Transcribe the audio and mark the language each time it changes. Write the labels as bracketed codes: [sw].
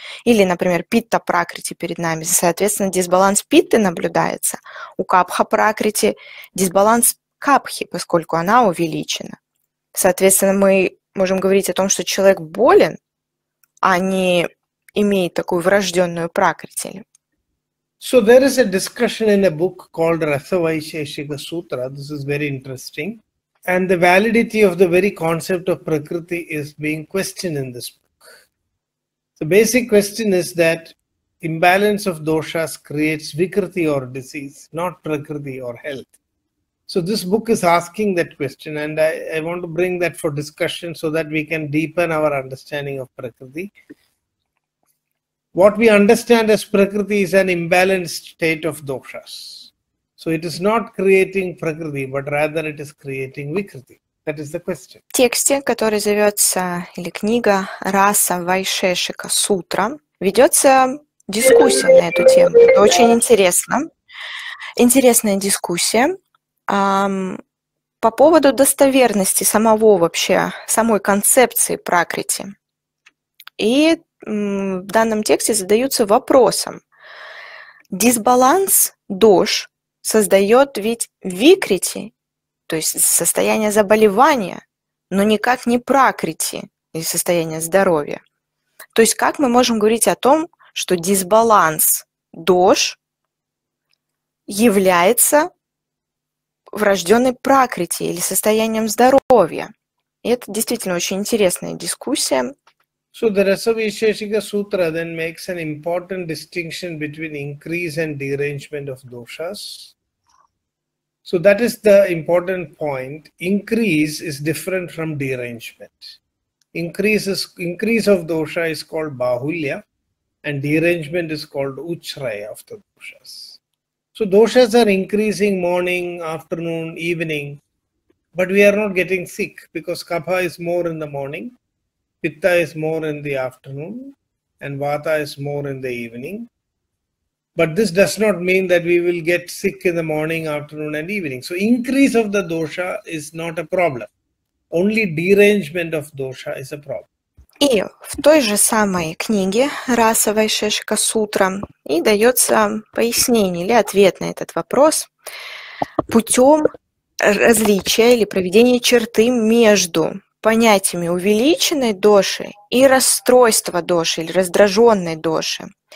[ru] Или, например, питта пракрити перед нами. Соответственно, дисбаланс питты наблюдается. У капха пракрити дисбаланс капхи, поскольку она увеличена. Соответственно, мы можем говорить о том, что человек болен, а не имеет такую врожденную пракрити. [en] So there is a discussion in a book called Rasavaisheshika Sutra. This is very interesting. And the validity of the very concept of prakriti is being questioned in this book. The basic question is that imbalance of doshas creates vikriti or disease, not prakriti or health. So this book is asking that question, and I want to bring that for discussion so that we can deepen our understanding of Prakriti. What we understand as Prakriti is an imbalanced state of doshas. So it is not creating Prakriti, but rather it is creating Vikriti. That is the question. [ru] В тексте, который зовется, или книга «Раса Вайшешика Сутра», ведется дискуссия на эту тему. Это очень интересно. Интересная дискуссия по поводу достоверности самого вообще, самой концепции Пракрити. И в данном тексте задаются вопросом. Дисбаланс дош создает ведь викрити, то есть состояние заболевания, но никак не Пракрити и состояние здоровья. То есть как мы можем говорить о том, что дисбаланс дош является врожденной Пракрити или состоянием здоровья? И это действительно очень интересная дискуссия. [en] So the Rasa Vaisheshika Sutra then makes an important distinction between increase and derangement of doshas. So that is the important point. Increase is different from derangement. Increase of dosha is called bahulya, and derangement is called uchraya of the doshas. So doshas are increasing morning, afternoon, evening, but we are not getting sick because kapha is more in the morning, pitta is more in the afternoon, and vata is more in the evening. But this does not mean that we will get sick in the morning, afternoon, and evening. So increase of the dosha is not a problem. Only derangement of dosha is a problem. [ru] И в той же самой книге «Раса Вайшешика Сутра» и дается пояснение или ответ на этот вопрос путем различия или проведения черты между понятиями увеличенной доши и расстройства доши или раздраженной доши.